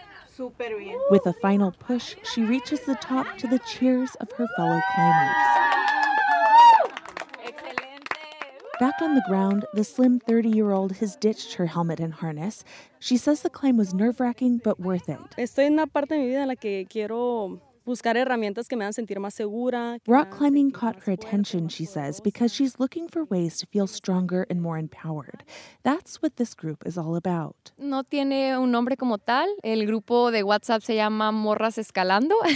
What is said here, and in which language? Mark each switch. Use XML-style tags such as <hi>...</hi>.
<es>Super bien.</es> <en>With a final push, she reaches the top to the cheers of her fellow climbers. Back on the ground, the slim 30-year-old has ditched her helmet and harness. She says the climb was nerve-wracking, but worth it.</en> <es>Estoy en una parte de mi vida en la que quiero...</es> <en>Rock climbing caught her attention, she says, because she's looking for ways to feel stronger and more empowered. That's what this group is all about.</en> <es>No tiene un nombre como tal. El grupo de WhatsApp se llama Morras Escalando.</es>